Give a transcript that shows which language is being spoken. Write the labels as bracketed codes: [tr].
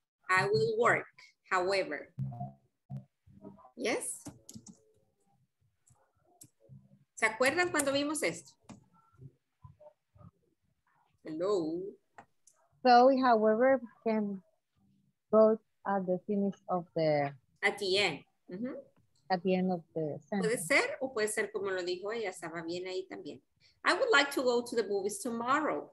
[en] I will work, however. Yes? [es] ¿Se acuerdan cuando vimos esto? [en] Hello. So, however, can go at the finish of the... At the end. Mm-hmm. At the end of the sentence. [es] Puede ser, o puede ser como lo dijo ella, estaba bien ahí también. [en] I would like to go to the movies tomorrow.